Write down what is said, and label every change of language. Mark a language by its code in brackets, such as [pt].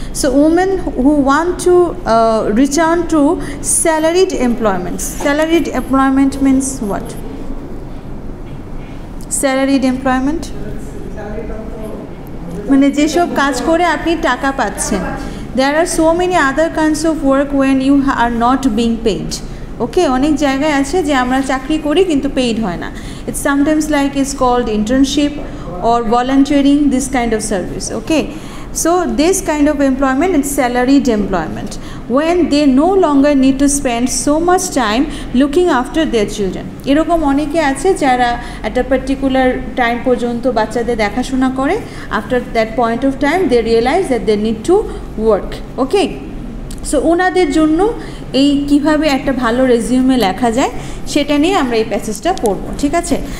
[en] So women who want to return to salaried employment. Salaried employment means what? Salaried employment? [bn] মানে যেসব কাজ করে আপনি টাকা পাচ্ছেন. [en] There are so many other kinds of work when you are not being paid. [bn] Okay, অনেক জায়গায় আছে যে আমরা চাকরি করি কিন্তু paid হয় না. [en] It's sometimes like it's called internship or volunteering, this kind of service. Okay, so this kind of employment is salaried employment when they no longer need to spend so much time looking after their children. [bn] Erokom oneke ache jara [en] at a particular time [bn] porjonto bachader dekhashona kore. [en] After that point of time, they realize that they need to work. Okay, so [bn] onader jonno এই কিভাবে একটা ভালো resume লেখা যায় সেটা নিয়ে আমরা এই প্যাসেজটা পড়ব, ঠিক আছে?